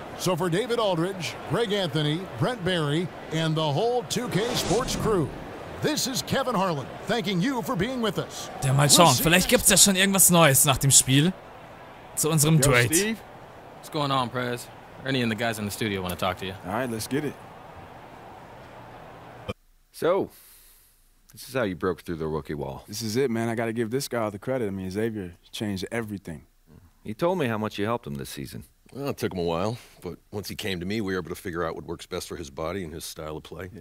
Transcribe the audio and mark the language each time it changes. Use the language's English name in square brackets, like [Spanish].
[English] So for David Aldridge, Greg Anthony, Brent Berry and the whole 2K Sports crew, this is Kevin Harlan thanking you for being with us. [German] Ja, mal schauen. Vielleicht gibt's ja schon irgendwas Neues nach dem Spiel zu unserem Trade. [English] Yo, Steve, what's going on, Prez? Ernie and the guys in the studio want to talk to you. All right, let's get it. So, this is how you broke through the rookie wall. This is it, man. I got to give this guy all the credit. I mean, Xavier changed everything. He told me how much you helped him this season. Well, it took him a while, but once he came to me, we were able to figure out what works best for his body and his style of play.